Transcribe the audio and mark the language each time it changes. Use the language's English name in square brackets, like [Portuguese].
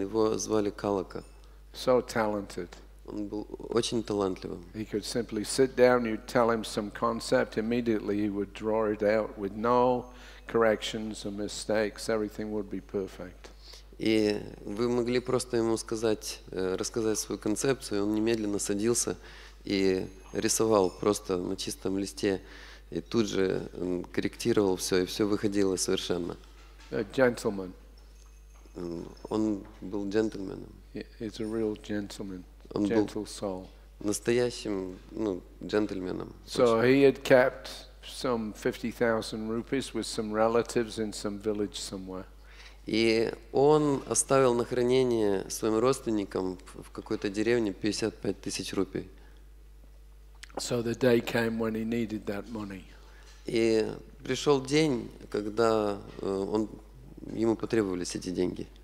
[Russian] Его звали Калака. [English] So talented. [Russian] Он был очень талантливым. [English] He could simply sit down, you'd tell him some concept, immediately he would draw it out with no corrections or mistakes. Everything would be perfect. [Russian] И вы могли просто ему рассказать свою концепцию, он немедленно садился и рисовал просто на чистом листе и тут же корректировал все, и все выходило совершенно. [English] A gentleman. [Russian] Он был джентльменом. [English] He's a real gentleman, gentle soul. [Russian] Настоящим, ну, джентльменом. [English] So he had kept some 50,000 rupees with some relatives in some village somewhere. [Russian] И он оставил на хранение своим родственникам в какой-то деревне 55 тысяч рупий. [English] So the day came when he needed that money. [Russian] И пришел день, когда ему потребовались эти деньги.